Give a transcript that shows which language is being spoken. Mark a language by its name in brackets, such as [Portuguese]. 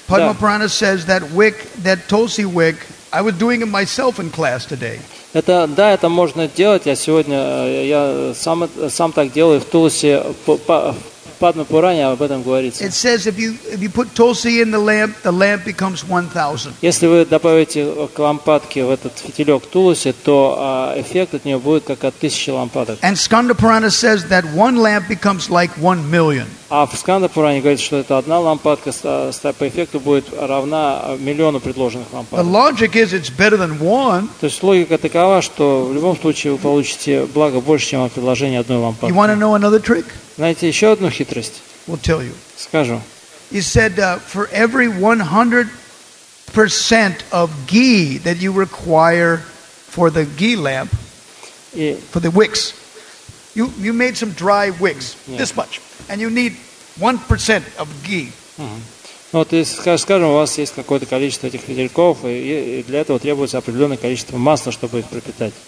[English] Padma Purana says that wick, that tulsi wick, I was doing it myself in class today. [Russian] Это можно делать. Я сам так делаю в тулсе. Об этом говорится. [English] It says if you put tulsi in the lamp becomes 1,000. [Russian] Если вы добавите к лампадке в этот фитилек тулуси, то эффект от нее будет как от 1000 лампадок. [English] And Skanda Purana says that one lamp becomes like 1,000,000. [Russian] А в Skanda Purana говорится, что это одна лампадка по эффекту будет равна миллиону предложенных лампадок. [English] The logic is it's better than one. [Russian] То есть логика такова, что в любом случае вы получите благо больше, чем от предложения одной лампадки. [English] You want to know another trick? [Russian] Знаете, еще одну хитрость? [English] We'll tell you. [Russian] Скажу. [English] He said, for every 100% of ghee that you require for the ghee lamp, for the wicks, you made some dry wicks, this much, and you need 1% of ghee. [Russian] Ну, вот если, скажем, у вас есть какое-то количество этих фитильков, и для этого требуется определенное количество масла, чтобы их пропитать.